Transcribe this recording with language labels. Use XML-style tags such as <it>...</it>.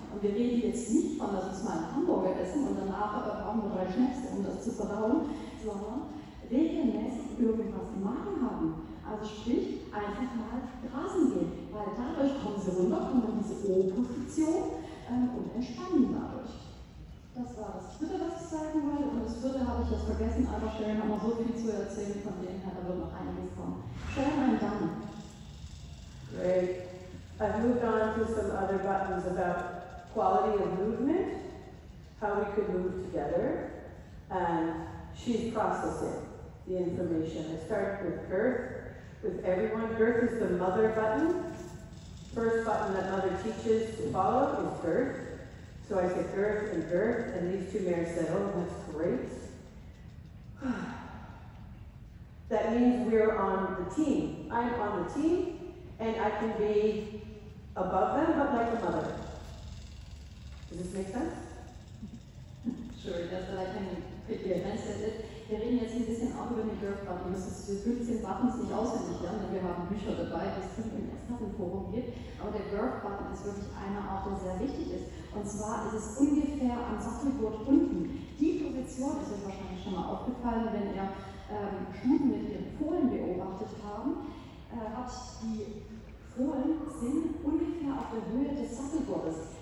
<de>Und wir reden jetzt nicht von, dass wir mal einen Hamburger essen und danach brauchen wir drei Schnäpse, um das zu verdauen, sondern regelmäßig irgendwas im Magen haben. Also sprich, einfach mal grasen gehen. weil dadurch kommen sie runter, kommen in diese O-Position und entspannen dadurch. Das war das Dritte, was ich sagen wollte. Und das Vierte habe ich jetzt vergessen, aber Sharon hat noch so viel zu erzählen, von dem her, da wird noch einiges kommen. Sharon, meine Damen.</de> <en>Great. I've moved on to some other buttons about quality of movement, how we could move together, and she's processing the information. I start with girth, with everyone. Girth is the mother button. First button that mother teaches to follow is girth. So I said girth and girth, and these two mares said, oh, that's great. That means we're on the team. I'm on the team, and I can be above them, but like a mother. Does this make sense? Sure, that's what I can pick your message.</en> <de>Wir reden jetzt ein bisschen auch über den Girth-Button. Wir müssen diese 15 Buttons nicht auswendig lernen, denn wir haben Bücher dabei, die es im ersten Forum gibt. Aber der Girth-Button ist wirklich eine Art, der sehr wichtig ist. Und zwar ist es ungefähr am Sattelgurt unten. Die Position ist euch wahrscheinlich schon mal aufgefallen, wenn ihr Stuten mit ihren Fohlen beobachtet haben, hat die Fohlen sind ungefähr auf der Höhe des Sattelgurtes.</de>